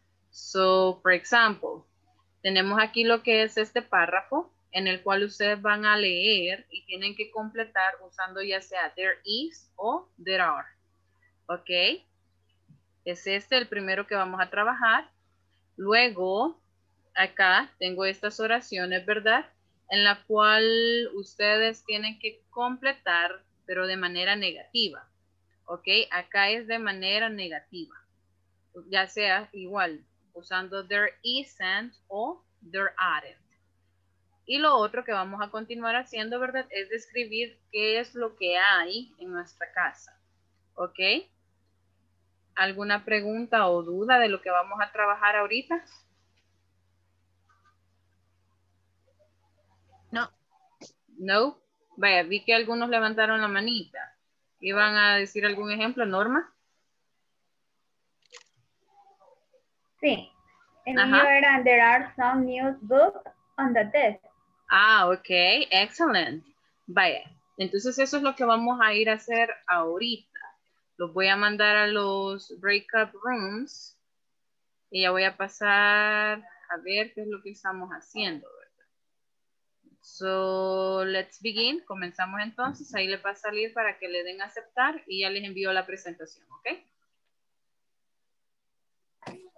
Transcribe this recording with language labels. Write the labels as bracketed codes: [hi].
[en] So, for example, [es] tenemos aquí lo que es este párrafo en el cual ustedes van a leer y tienen que completar usando ya sea there is o there are. ¿Ok? Es este el primero que vamos a trabajar. Luego, acá tengo estas oraciones, ¿verdad? En la cual ustedes tienen que completar, pero de manera negativa. ¿Ok? Acá es de manera negativa. Ya sea igual, usando there isn't o there aren't. Y lo otro que vamos a continuar haciendo, ¿verdad? Es describir qué es lo que hay en nuestra casa. ¿Ok? ¿Alguna pregunta o duda de lo que vamos a trabajar ahorita? No. No. Vaya, vi que algunos levantaron la manita. ¿Iban a decir algún ejemplo, Norma? Sí. El mío era, [en] there are some new books on the desk. Ah, ok. Excellent. Vaya. [es] Entonces eso es lo que vamos a ir a hacer ahorita. Los voy a mandar a los breakout rooms. Y ya voy a pasar a ver qué es lo que estamos haciendo. [en] So, let's begin. [es] Comenzamos entonces. Ahí le va a salir para que le den aceptar y ya les envío la presentación, ¿ok?